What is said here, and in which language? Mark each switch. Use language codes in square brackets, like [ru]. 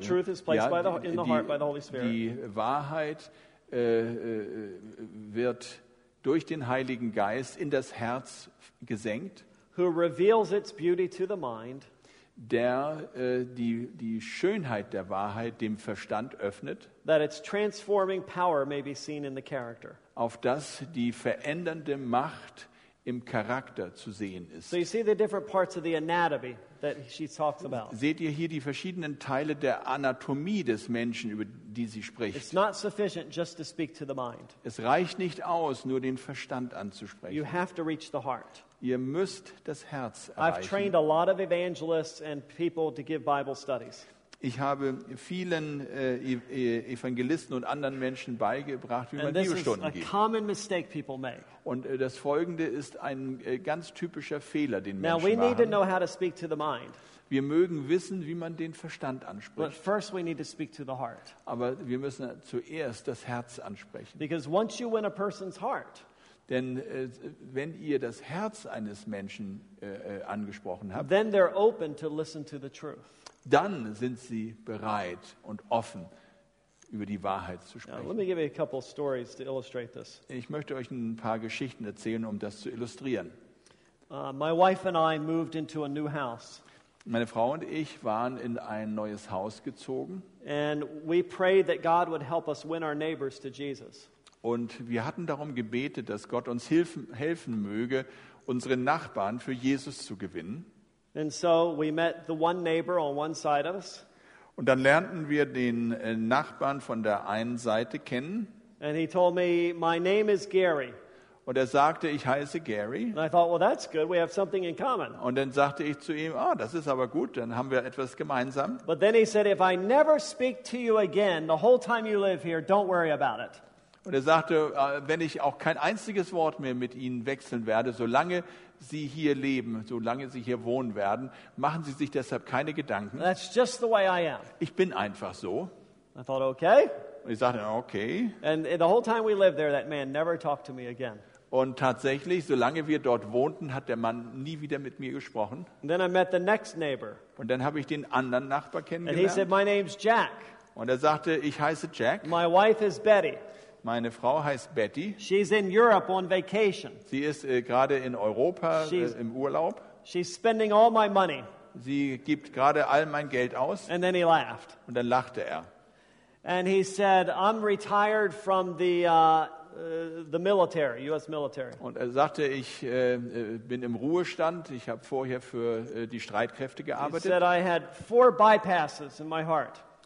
[en] The truth is placed in the heart by the Holy Spirit. [de] Die Wahrheit wird durch den Heiligen Geist in das Herz gesenkt. [en] Who reveals its beauty to the mind. [de] Der die Schönheit der Wahrheit dem Verstand öffnet, [en] that its transforming power may be seen in the character. [de] Auf das die verändernde Macht im Charakter zu sehen ist. [en] So you see the different parts of the anatomy that she talks about. [de] Seht ihr hier die verschiedenen Teile der Anatomie des Menschen, über die sie spricht? [en] It's not sufficient just to speak to the mind. [de] Es reicht nicht aus, nur den Verstand anzusprechen. [en] You have to reach the heart. [de] Ihr müsst das Herz erreichen. [en] I've trained a lot of evangelists and people to give Bible studies. [de] Ich habe vielen Evangelisten und anderen Menschen beigebracht, wie man Bibelstunden gibt. [en] Common mistake people make. [de] Und das Folgende ist ein ganz typischer Fehler, den Menschen machen. [en] Now we need to know how to speak to the mind. [de] Wir mögen wissen, wie man den Verstand anspricht. [en] But first we need to speak to the heart. [de] Aber wir müssen zuerst das Herz ansprechen. [en] Because once you win a person's heart, [de] denn wenn ihr das Herz eines Menschen angesprochen habt, [en] then they're open to listen to the truth. [de] Dann sind sie bereit und offen, über die Wahrheit zu sprechen. [en] Now, let me give you a couple of stories to illustrate this. [de] Ich möchte euch ein paar Geschichten erzählen, um das zu illustrieren. [en] My wife and I moved into a new house. [de] Meine Frau und ich waren in ein neues Haus gezogen. [en] And we prayed that God would help us win our neighbors to Jesus. [de] Und wir hatten darum gebetet, dass Gott uns helfen möge, unsere Nachbarn für Jesus zu gewinnen. [en] And so we met the one neighbor on one side of us. [de] Und dann lernten wir den Nachbarn von der einen Seite kennen. [en] And he told me, my name is Gary. [de] Und sagte, ich heiße Gary. [en] And I thought, well, that's good. We have something in common. [de] Und dann sagte ich zu ihm, ah, das ist aber gut. Dann haben wir etwas gemeinsam. [en] But then he said, if I never speak to you again the whole time you live here, don't worry about it. [de] Und sagte, wenn ich auch kein einziges Wort mehr mit Ihnen wechseln werde, solange Sie hier leben, solange Sie hier wohnen werden, machen Sie sich deshalb keine Gedanken. [en] That's just the way I am. [de] Ich bin einfach so. [en] I thought, okay. [de] Und ich sagte, okay. [en] And the whole time we lived there, that man never talked to me again. [de] Und tatsächlich, solange wir dort wohnten, hat der Mann nie wieder mit mir gesprochen. [en] And then I met the next neighbor. [de] Und dann habe ich den anderen Nachbar kennengelernt. [en] And he said, my name's Jack. [de] Und sagte, ich heiße Jack. [en] My wife is Betty. [de] Meine Frau heißt Betty. [en] She's in Europe on vacation. [de] Sie ist gerade in Europa im Urlaub. [en] She's spending all my money. [de] Sie gibt gerade all mein Geld aus. [en] And then he laughed. [de] Und dann lachte er. [en] And he said, I'm retired from the military, US military. [de] Und sagte, ich bin im Ruhestand. Ich habe vorher für die Streitkräfte gearbeitet. [en] He said, I had 4 bypasses in my heart.